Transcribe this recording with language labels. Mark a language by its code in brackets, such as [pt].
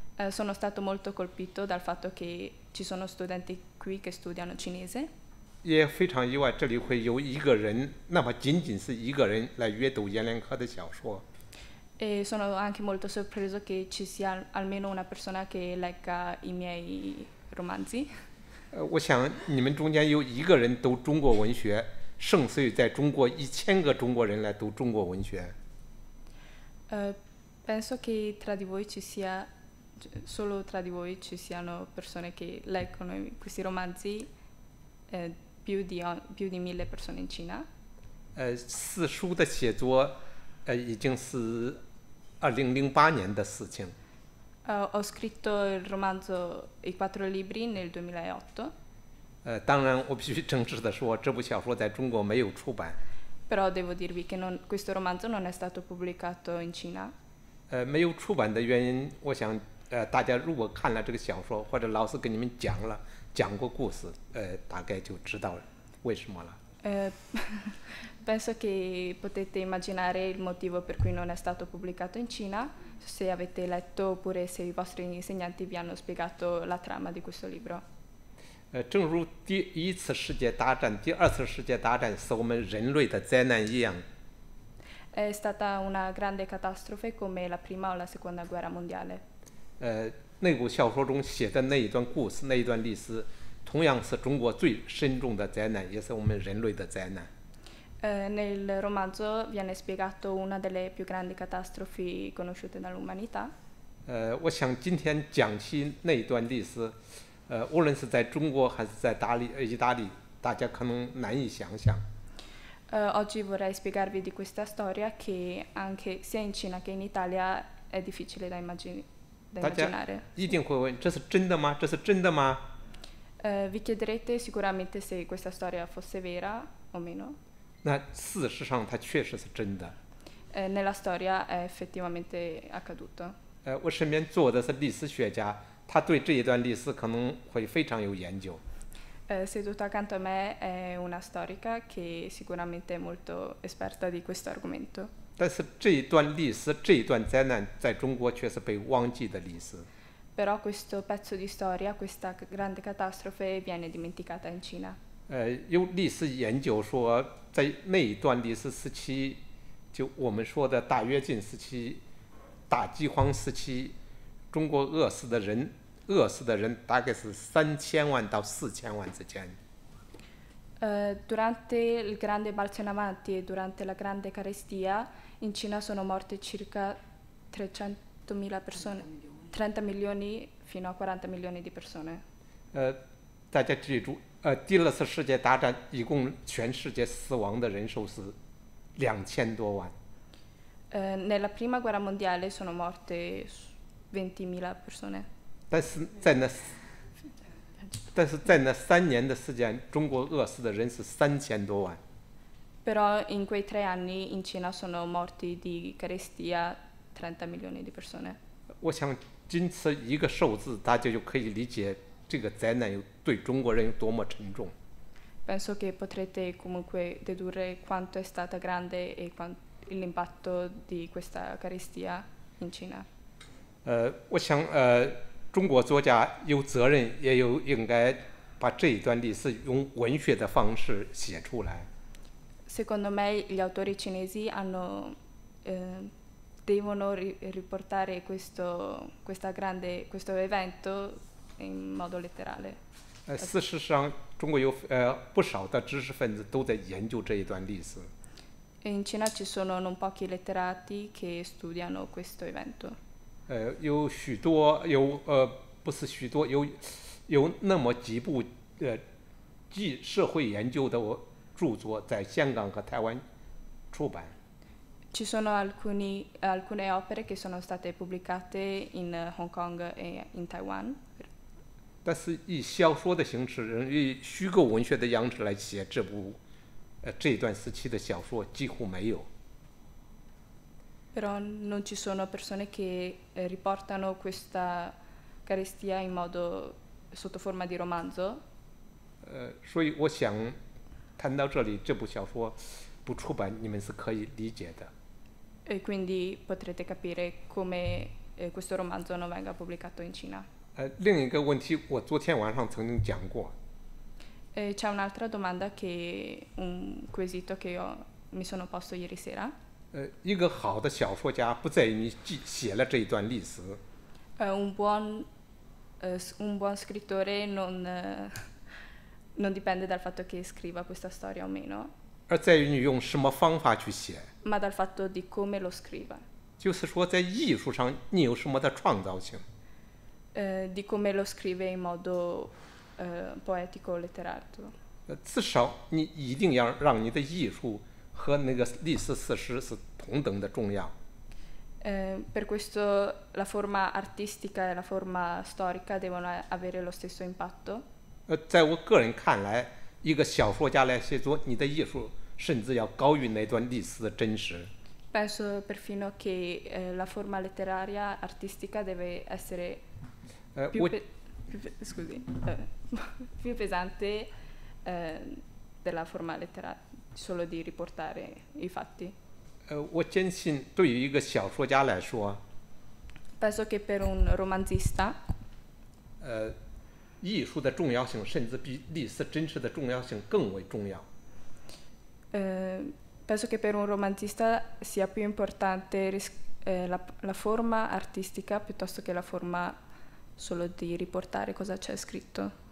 [it] Sono stato molto colpito dal fatto che ci sono studenti qui che studiano cinese. E sono anche molto sorpreso che ci sia almeno una persona che legga i miei romanzi. [zh] 我想你们中间有一个人读中国文学，胜似于在中国一千个中国人来读中国文学。 [it] Penso che tra di voi ci sia solo tra di voi ci siano persone che leggono questi romanzi più di 1000 persone in Cina. [zh] 四书的写作，已经是2008年的事情。 [it] Ho scritto il romanzo I quattro libri nel 2008. [zh] 当然我必须正式的说，这部小说在中国没有出版。 [it] Però devo dirvi che non questo romanzo non è stato pubblicato in Cina. [zh] 没有出版的原因，我想，大家如果看了这个小说，或者老师给你们讲了，讲过故事，大概就知道为什么了。 [it] Penso che potete immaginare il motivo per cui non è stato pubblicato in Cina, se avete letto oppure se i vostri insegnanti vi hanno spiegato la trama di questo libro. [zh] 正如第一次世界大战、第二次世界大战是我们人类的灾难一样。 [it] È stata una grande catastrofe come la prima o la seconda guerra mondiale. [zh] 那部小说中写的那一段故事、那一段历史，同样是中国最深重的灾难，也是我们人类的灾难。 [it] Nel romanzo viene spiegato una delle più grandi catastrofi conosciute dall'umanità. [zh] 我想今天讲起那一段历史，无论是在中国还是在意大利，大家可能难以想象。 [it] Oggi vorrei spiegarvi di questa storia che anche sia in Cina che in Italia è difficile da immaginare. [zh] 大家一定会问，这是真的吗？这是真的吗？ [it] Vi chiederete sicuramente se questa storia fosse vera o meno. [zh] 那事实上它确实是真的。 [it] Nella storia è effettivamente accaduto. [zh] 我身边坐的是历史学家，他对这一段历史可能会非常有研究。 [it] Seduto accanto a me è una storica che sicuramente è molto esperta di questo argomento. [zh] 但是这一段历史，这一段灾难，在中国却是被忘记的历史。 [it] Però questo pezzo di storia, questa grande catastrofe viene dimenticata in Cina. [zh] 有历史研究说，在那一段历史时期，就我们说的大跃进时期、大饥荒时期，中国饿死的人。饿死的人大概是3000万到4000万之间。 [it] Durante il grande balzo in avanti e durante la grande carestia, in Cina sono morte circa 300.000 persone, 30 milioni fino a 40 milioni di persone. [zh] 大家记住，第二次世界大战一共全世界死亡的人数是2000多万。 [it] Nella prima guerra mondiale sono morte 20.000 persone. [zh] 但是在那三年的时间，中国饿死的人是3000多万。 [it] Però in quei tre anni in Cina sono morti di carestia 30 milioni di persone。 [zh] 我想，仅此一个数字，大家就可以理解这个灾难有对中国人有多么沉重。 [it] Penso che potrete comunque dedurre quanto è stata grande e l'impatto di questa carestia in Cina。 [zh] 我想，中国作家有责任，也有应该把这一段历史用文学的方式写出来。 [it] Secondo me, gli autori cinesi hanno, devono riportare questo evento in modo letterale. [zh] 事实上，中国有不少的知识分子都在研究这一段历史。 [it] In Cina ci sono non pochi letterati che studiano questo evento. [zh] 有许多有不是许多有那么几部记社会研究的著作在香港和台湾出版。 [it] Ci sono alcune opere che sono state pubblicate in Hong Kong e in Taiwan。 [zh] 但是以小说的形式，以虚构文学的样式来写这部这一段时期的小说几乎没有。 [it] Però non ci sono persone che riportano questa carestia in modo sotto forma di romanzo. [zh] 所以我想谈到这里，这部小说不出版，你们是可以理解的。 [it] E quindi potrete capire come questo romanzo non venga pubblicato in Cina. [zh] 另一个问题，我昨天晚上曾经讲过。 [it] C'è un'altra domanda che un quesito che io mi sono posto ieri sera. [zh] 一个好的小说家不在于你写了这一段历史。 [it] Un buon scrittore non non dipende dal fatto che scriva questa storia o meno, [zh] 而在于你用什么方法去写, [it] ma dal fatto di come lo scriva. [zh] 就是说在艺术上你有什么的创造性, [it] di come lo scrive in modo poetico o letterato. [zh] 至少你一定要让你的艺术和那个历史史诗是同等的重要。 [it] Per questo la forma artistica e la forma storica devono avere lo stesso impatto. [zh] 在我个人看来, 一个小说家来写作你的艺术, 甚至要高于那段历史的真实。 [it] Penso perfino che la forma letteraria artistica deve essere più pesante della forma letteraria, solo di riportare i fatti. [zh] 我坚信对于一个小说家来说, [it] Penso che per un romanzista [zh] 艺术的重要性, 甚至比历史真实的重要性更为重要。 [it] Penso che per un romanzista sia più importante la forma artistica piuttosto che la forma solo di riportare cosa c'è scritto.